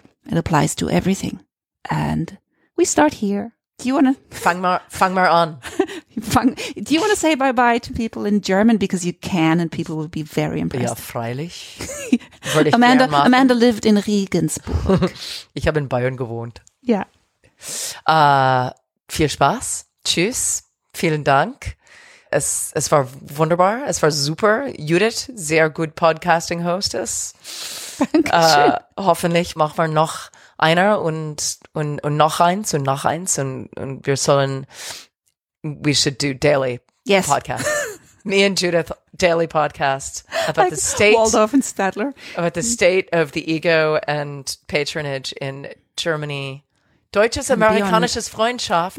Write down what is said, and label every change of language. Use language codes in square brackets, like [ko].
[en] It applies to everything. And we start here. Do you want to... [de] Fang mal an. [en] Do you want to say bye-bye to people in German? Because you can, and people will be very impressed. [de] Ja, freilich. [en] Amanda lived in Regensburg. [de] Ich habe in Bayern gewohnt. Ja. Viel Spaß. Tschüss. Vielen Dank. Es war wunderbar. Es war super. Judith, sehr gut Podcasting-Hostess. Dankeschön. Hoffentlich machen wir noch einer und noch eins und noch eins. Und wir sollen... [en] We should do daily podcast. Me and Judith, daily podcast about like the state Waldorf and Stadler. About the state of the ego and patronage in Germany. [de] Deutsches Amerikanisches Freundschaft.